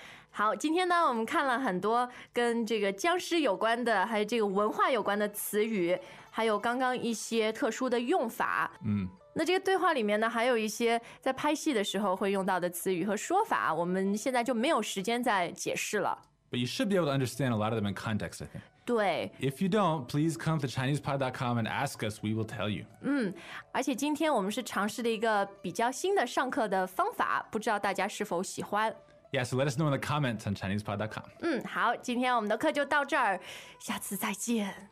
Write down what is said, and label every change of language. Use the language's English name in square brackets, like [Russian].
[Chinese] 好，今天呢，我们看了很多跟这个僵尸有关的，还有这个文化有关的词语，还有刚刚一些特殊的用法。嗯，那这个对话里面呢，还有一些在拍戏的时候会用到的词语和说法，我们现在就没有时间再解释了。 [English] But you should be able to understand a lot of them in context, I think. [Chinese] 对。 [English] If you don't, please come to ChinesePod.com and ask us, we will tell you. [Chinese] 嗯，而且今天我们是尝试了一个比较新的上课的方法，不知道大家是否喜欢。 [English] Yeah, so let us know in the comments on ChinesePod.com. [Chinese] 嗯，好，今天我们的课就到这儿，下次再见。